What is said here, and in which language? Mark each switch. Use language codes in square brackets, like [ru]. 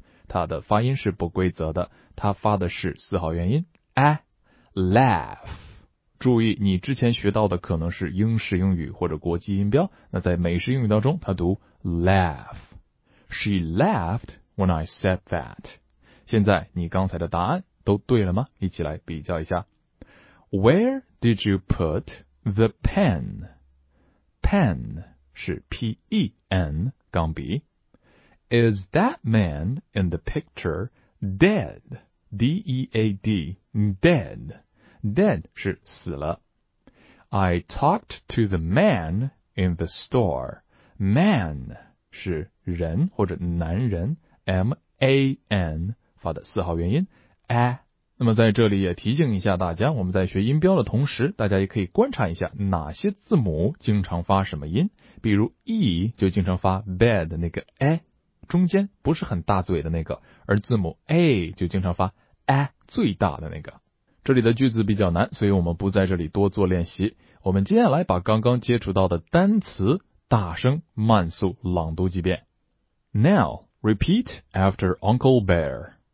[zh] 它的发音是不规则的，它发的是四号元音 a laugh。注意你之前学到的可能是英式英语或者国际音标，那在美式英语当中它读 laugh。 [en] She laughed when I said that。 [zh] 现在你刚才的答案都对了吗？一起来比较一下。 [en] Where did you put the pen? Pen [zh] 是 P-E-N 钢笔。 [en] Is that man in the picture dead? D-E-A-D, dead. Dead [zh] 是死了。 [en] I talked to the man in the store. [zh] Man 是人或者男人 ,man, 发的四号元音 ,a。那么在这里也提醒一下大家，我们在学音标的同时，大家也可以观察一下哪些字母经常发什么音。比如 E 就经常发 bed 那个 a， 中间不是很大嘴的那个，而字母 A 就经常发 a 最大的那个。这里的句子比较难，所以我们不在这里多做练习。我们接下来把刚刚接触到的单词大声慢速朗读几遍。 [en] Now, repeat after Uncle Bear.